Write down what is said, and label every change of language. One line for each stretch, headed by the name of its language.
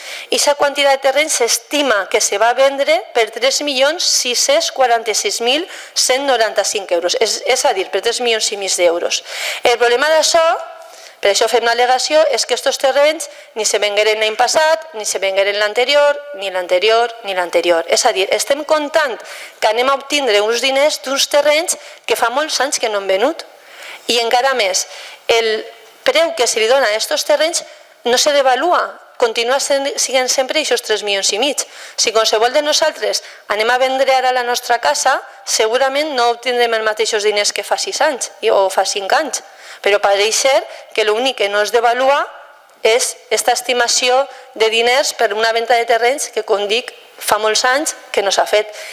Catalan: I aquesta quantitat de terreny s'estima que se va vendre per 3.646.195 euros, és a dir, per 3 milions i mig d'euros. El problema d'això, per això fem una al·legació, és que aquests terrenys ni se vengueren l'any passat, ni se vengueren l'anterior, ni l'anterior, ni l'anterior. És a dir, estem comptant que anem a obtindre uns diners d'uns terrenys que fa molts anys que no han venut
Spanish: y en cada mes el preu que se le dona a estos terrenys no se devalúa, continúa siguen siempre esos 3,5 millones.
Catalan: Si con qualsevol de nosaltres anem a vendre ara la nostra casa, segurament no obtindrem els mateixos diners que fa 6 anys o fa 5 anys. Però pareix ser que l'únic que no es devalua és esta estimació de diners per una venda de terrenys que, com dic, fa molts anys que no s'ha fet.